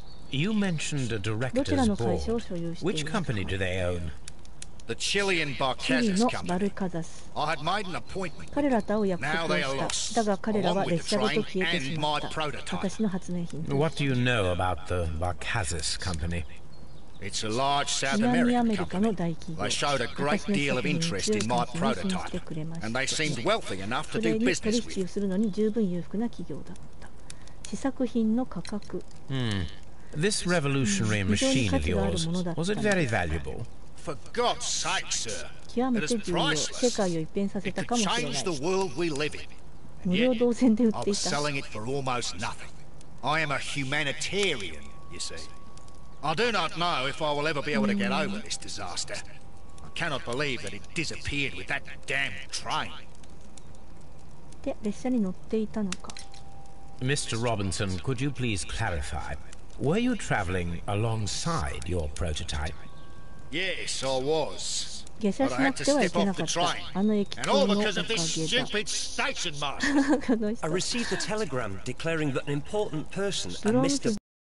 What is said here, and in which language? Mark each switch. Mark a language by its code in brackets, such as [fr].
[en] You mentioned a director's board. Which company do they own? The Chilean Barcazas Company. I had made an appointment. [ja] 彼らと会う約束をした。だが彼らは列車ごと消えてしまった。私の発明品。 [en] What do you know about the Barcazas Company? It's a large South American company. They showed a great deal of interest in my prototype, and they seemed wealthy enough to do business with. [ja] 取引をするのに十分裕福な企業だ。試作品の価格。 [en] This revolutionary machine of yours, was it very valuable? For God's sake, sir, it is priceless. It could change the world we live in. Yet, I was selling it for almost nothing. I am a humanitarian, you see. I do not know if I will ever be able to get over this disaster. I cannot believe that it disappeared with that damn train. [ja] で、列車に乗っていたのか。 [en] Mr. Robinson, could you please clarify? Were you travelling alongside your prototype? Yes, I was. But I had to step off the train. And all because of this stupid station master. I received a telegram declaring that an important person and Mr.